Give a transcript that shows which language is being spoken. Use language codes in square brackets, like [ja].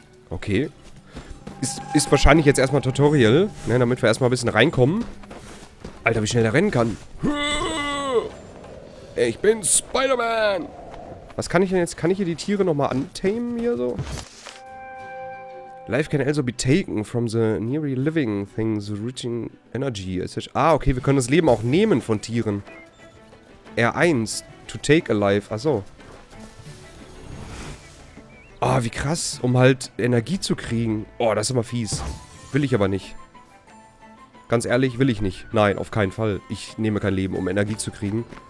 [de] Okay. Ist wahrscheinlich jetzt erstmal Tutorial, ne, damit wir erstmal ein bisschen reinkommen. Alter, wie schnell der rennen kann. Ich bin Spider-Man! Was kann ich denn jetzt? Kann ich hier die Tiere nochmal untamen hier so? [en] Life can also be taken from the nearly living things, reaching energy. [de] Ah, okay, wir können das Leben auch nehmen von Tieren. [en] R1, to take a life. [de] Ach so. Ah, wie krass, um halt Energie zu kriegen. Oh, das ist immer fies. Will ich aber nicht. Ganz ehrlich, will ich nicht. Nein, auf keinen Fall. Ich nehme kein Leben, um Energie zu kriegen.